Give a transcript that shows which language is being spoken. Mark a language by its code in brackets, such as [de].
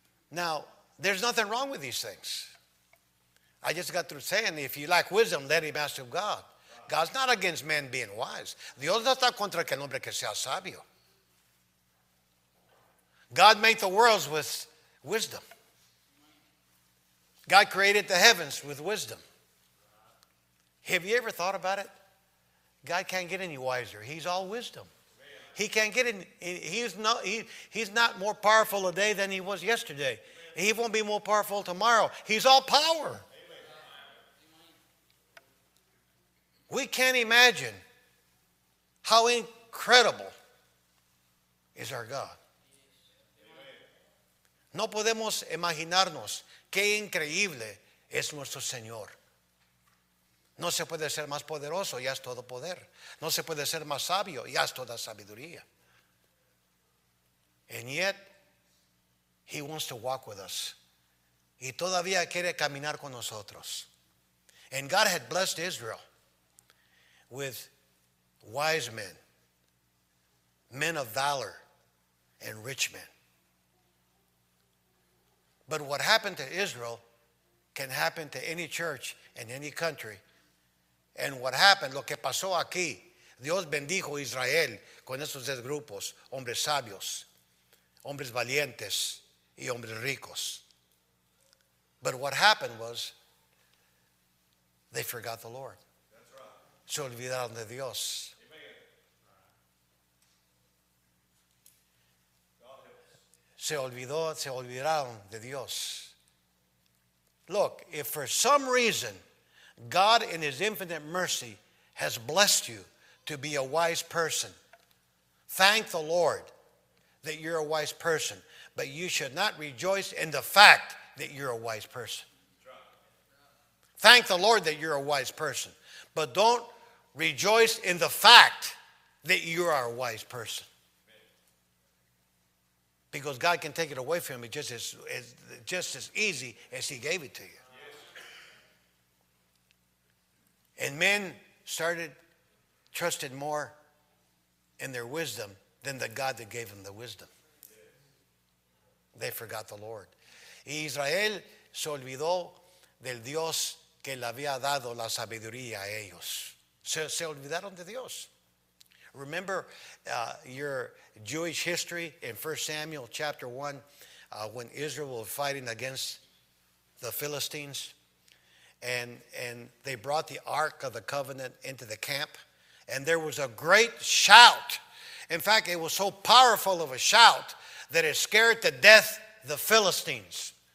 [en] Now, there's nothing wrong with these things. I just got through saying, if you lack wisdom, let him ask of God. God's not against men being wise. [es] Dios no está contra que el hombre que sea sabio. [en] God made the worlds with wisdom. God created the heavens with wisdom. Have you ever thought about it? God can't get any wiser. He's all wisdom. He can't get any. He's not more powerful today than he was yesterday. He won't be more powerful tomorrow. He's all power. We can't imagine how incredible is our God. [es] No podemos imaginarnos qué increíble es nuestro Señor. No se puede ser más poderoso, ya es todo poder. No se puede ser más sabio, ya es toda sabiduría. [en] And yet, he wants to walk with us. [es] Y todavía quiere caminar con nosotros. [en] And God had blessed Israel with wise men, men of valor, and rich men. But what happened to Israel can happen to any church in any country. And what happened, [es] lo que pasó aquí, Dios bendijo a Israel con esos tres grupos, hombres sabios, hombres valientes y hombres ricos. [en] But what happened was they forgot the Lord. That's right. [es] Se olvidaron de Dios. [en] Amen. [es] Se olvidaron de Dios. [en] Look, if for some reason God in his infinite mercy has blessed you to be a wise person, thank the Lord that you're a wise person. But you should not rejoice in the fact that you're a wise person. Thank the Lord that you're a wise person. But don't rejoice in the fact that you are a wise person. Because God can take it away from you just as easy as he gave it to you. And men started trusting more in their wisdom than the God that gave them the wisdom. They forgot the Lord. [es] Y Israel se olvidó del Dios que le había dado la sabiduría a ellos. Se olvidaron de Dios. [en] Remember your Jewish history in 1 Samuel chapter 1 when Israel was fighting against the Philistines. And they brought the Ark of the Covenant into the camp. And there was a great shout. In fact, it was so powerful of a shout that it scared to death the Philistines.